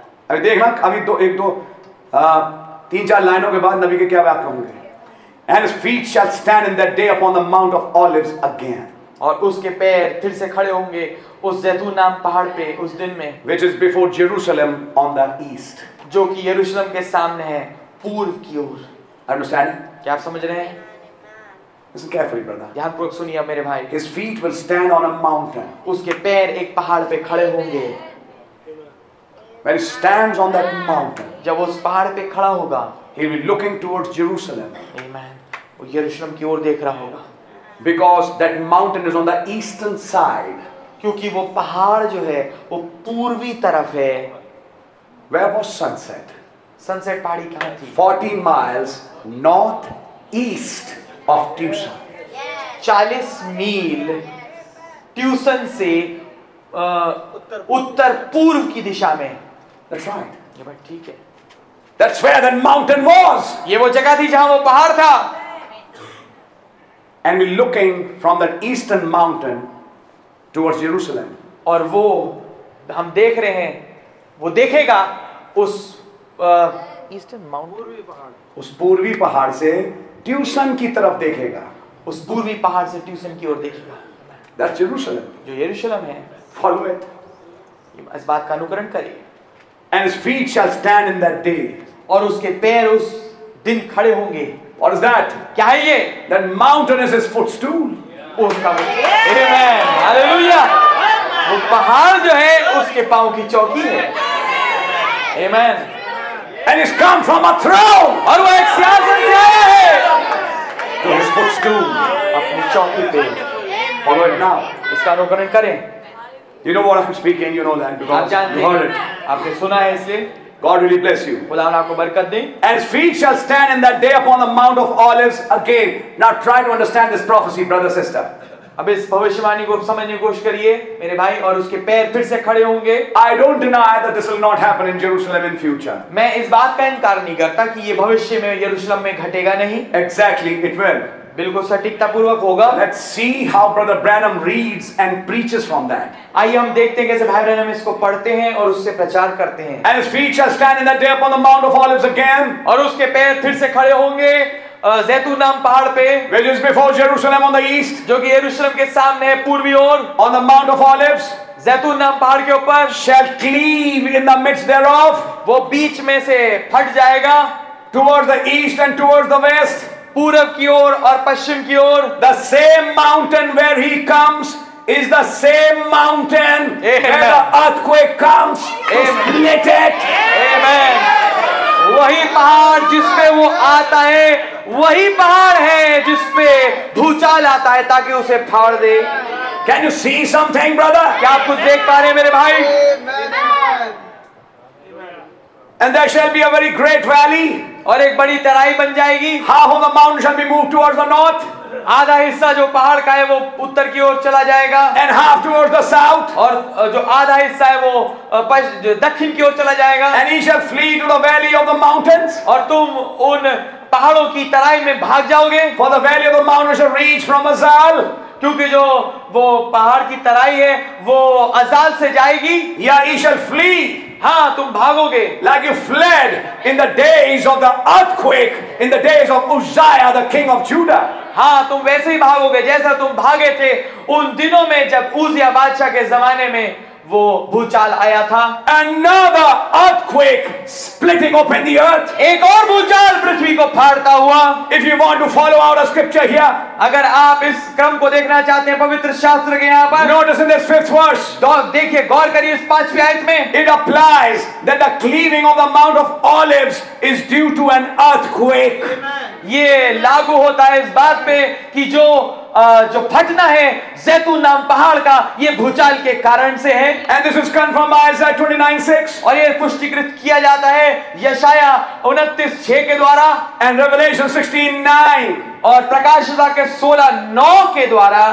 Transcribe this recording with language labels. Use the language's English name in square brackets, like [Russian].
[Hindi] अभी देखना अभी दो एक दो तीन चार लाइनों के बाद नबी के क्या बात होंगे [English] And his feet shall stand in that day upon the Mount of Olives again. [Hindi] और उसके पैर फिर से खड़े होंगे उस जैतून नाम पहाड़ पे उस दिन में [English] which is before Jerusalem on the east [Hindi] जो कि यरूशलेम के सामने है पूर्व की ओर [English] understanding [Hindi] क्या आप समझ रहे हैं [English] Listen carefully, brother. [Hindi] ध्यान पूर्वक सुनिए मेरे भाई. [English] His feet will stand on a mountain. [Hindi] उसके पैर एक पहाड़ पे खड़े होंगे. [English] When he stands on that mountain, [Hindi] जब उस पहाड़ पे खड़ा होगा, [English] he will be looking towards Jerusalem. Amen. [Hindi] वो यरूशलेम की ओर देख रहा होगा. [English] Because that mountain is on the eastern side. [Hindi] क्योंकि वो पहाड़ जो है, वो पूर्वी तरफ है. [English] Where was sunset? [Hindi] Sunset पहाड़ी कहाँ थी? [English] 40 miles northeast. Of Tucson. [Hindi] 40 meal tuition से उत्तर पूर्व की दिशा में [English] That's right. [Hindi] ये बात ठीक है. [English] That's where the mountain was. [Hindi] ये वो जगह थी जहां वो पहाड़ था. [English] And we're looking from that eastern mountain towards Jerusalem. [Hindi] और वो हम देख रहे हैं वो देखेगा उस [English] eastern mountain [Hindi] उस पूर्वी पहाड़ से ट्यूशन की तरफ देखेगा उस पूर्वी पहाड़ से ट्यूशन की ओर देखेगा [English] that's यरूशलेम [Hindi] जो यरूशलेम है [English] follow it [Hindi] इस बात का अनुकरण करिए [English] and his feet shall stand in that day [Hindi] और उसके पैर उस दिन खड़े होंगे [English] what is that [Hindi] क्या है ये [English] that mountain is his footstool [Hindi] उसका आमेन हालेलुया वो पहाड़ जो है उसके पांव की चौकी है आमेन [English] And he's come from a throne. [Hindi] और वो एक सियासत से आया है. [English] To his footstool. [Hindi] अपनी चौकी पे. [English] Follow it now. [Hindi] इसका अनुकरण करें. [English] You know what I'm speaking. You know that because you heard it. [Hindi] आपने सुना है इसलिए. [English] God really bless you. [Hindi] खुदा आपको बरकत दे. [English] And his feet shall stand in that day upon the Mount of Olives again. Now try to understand this prophecy, brother, sister. [Hindi] अब इस भविष्यवाणी को समझने की कोशिश करिए मेरे भाई और उसके पैर फिर से खड़े होंगे [English] I don't deny that this will not happen in Jerusalem in future. [Hindi] मैं इस बात का इनकार नहीं करता कि ये भविष्य में यरूशलेम में घटेगा नहीं [English] Exactly, it will. [Hindi] बिल्कुल सटीकता पूर्वक होगा [English] Let's see how Brother Branham reads and preaches from that. [Hindi] आइए हम देखते हैं कैसे भाई ब्रैनम इसको पढ़ते हैं और उससे प्रचार करते हैं [English] And his feet shall stand in that day upon the Mount of Olives again. [Hindi] और उसके पैर फिर से खड़े होंगे जैतून नाम पहाड़ पे [English] which is before Jerusalem on the east [Hindi] जो कि यरूशलेम के सामने है पूर्वी ओर [English] on the Mount of Olives [Hindi] जैतून नाम पहाड़ के ऊपर [English] shall cleave in the midst thereof [Hindi] वो बीच में से फट जाएगा [English] towards the east and towards the west [Hindi] पूर्व की ओर और पश्चिम की ओर [English] the same mountain where he comes is the same mountain Amen. Where the earthquake comes Amen. To split it [Hindi] Amen वही पहाड़ जिसपे वो आता है वही पहाड़ है जिसपे भूचाल आता है ताकि उसे फाड़ दे [English] can you see something brother [Hindi] क्या आप कुछ देख पा रहे हैं मेरे भाई [English] and there shall be a very great valley [Hindi] और एक बड़ी तराई बन जाएगी [English] half of the mount shall be move towards the north [Hindi] आधा हिस्सा जो पहाड़ का है वो उत्तर की ओर चला जाएगा [English] and half towards the south [Hindi] और जो आधा हिस्सा है वो दक्षिण की ओर चला जाएगा [English] and he shall flee to the valley of the mountains [Hindi] और तुम उन पहाड़ों की तराई में भाग जाओगे [English] for the valley of the mountains shall reach from Azal [Hindi] क्योंकि जो वो पहाड़ की तराई है वो अजाल से जाएगी [English] yea he shall flee [Hindi] हाँ तुम भागोगे [English] like you fled in the days of the earthquake in the days of Uzziah the king of Judah [Hindi] हाँ तुम वैसे ही भागोगे जैसा तुम भागे थे उन दिनों में जब उज़ियाह बादशाह के जमाने में वो भूचाल आया था [English] Another earthquake splitting open the earth. [Hindi] एक और भूचाल पृथ्वी को फाड़ता हुआ [English] If you want to follow our scripture here, [Hindi] अगर आप इस क्रम को देखना चाहते हैं पवित्र शास्त्र के यहाँ पर [English] Notice in this fifth verse, [Hindi] तो देखिए गौर करिए इस पांचवी आयत में [English] It applies that the cleaving of the Mount of Olives is due to an earthquake. [Hindi] ये लागू होता है इस बात पे कि जो जो फटना है जैतून नाम पहाड़ का ये भूचाल के कारण से है [English] And this is confirmed by Isaiah 29:6 [Hindi] और ये पुष्टिकृत किया जाता है यशाया 29:6 के द्वारा [English] And Revelation 16:9 [Hindi] और प्रकाशिता के 16:9 के द्वारा